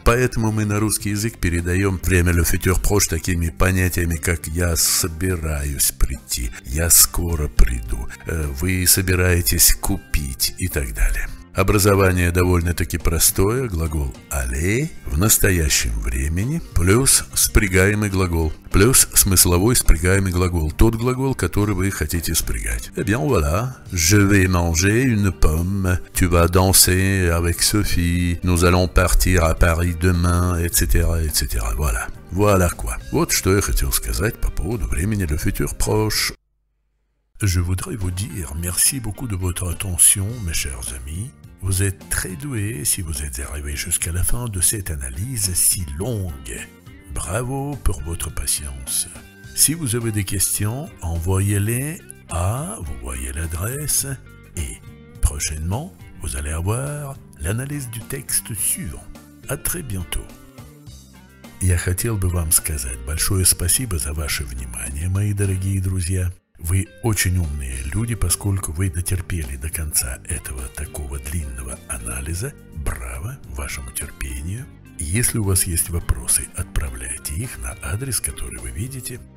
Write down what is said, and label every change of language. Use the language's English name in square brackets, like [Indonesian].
[Russian] Поэтому мы на русский язык передаем время, le futur, proche, такими понятиями, как «я собираюсь прийти», «я скоро приду», «вы собираетесь купить» и так далее. Образование довольно-таки простое, глагол «aller» в настоящем времени плюс спрягаемый глагол, плюс смысловой спрягаемый глагол, тот глагол, который вы хотите спрягать. [French] Eh bien, voilà, je vais manger une pomme, tu vas danser avec Sophie, nous allons partir à Paris demain, etc., etc. Voilà, voilà quoi. [Russian] Вот что я хотел сказать по поводу времени «le futur proche». [French] Je voudrais vous dire merci beaucoup de votre attention, mes chers amis. Vous êtes très doués si vous êtes arrivés jusqu'à la fin de cette analyse si longue. Bravo pour votre patience. Si vous avez des questions, envoyez-les à, vous voyez l'adresse, et prochainement, vous allez avoir l'analyse du texte suivant. À très bientôt. [Russian] Я хотел бы вам сказать большое спасибо за ваше внимание, мои дорогие друзья. Вы очень умные люди, поскольку вы дотерпели до конца этого такого длинного анализа. Браво вашему терпению. Если у вас есть вопросы, отправляйте их на адрес, который вы видите.